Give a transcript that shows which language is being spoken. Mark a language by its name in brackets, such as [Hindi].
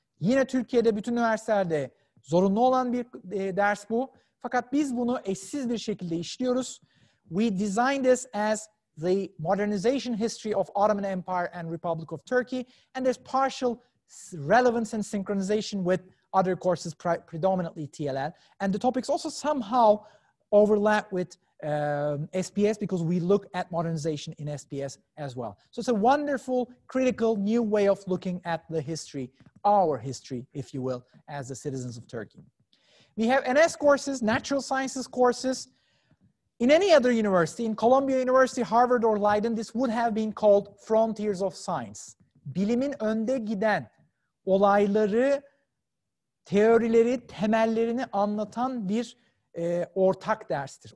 [Turkish] Yine Türkiye'de bütün üniversitelerde zorunlu olan bir ders bu. Fakat biz bunu eşsiz bir şekilde işliyoruz. [English] We designed this as the modernization history of Ottoman Empire and Republic of Turkey, and there's partial relevance and synchronization with other courses, predominantly TLL. And the topics also somehow overlap with SPS because we look at modernization in SPS as well. So it's a wonderful, critical, new way of looking at the history, our history, if you will, as the citizens of Turkey. We have NS courses, natural sciences courses. In any other university, in Columbia University, Harvard, or Leiden, this would have been called Frontiers of Science. [Turkish] Bilimin önde giden olayları, teorileri, temellerini anlatan bir ortak derstir.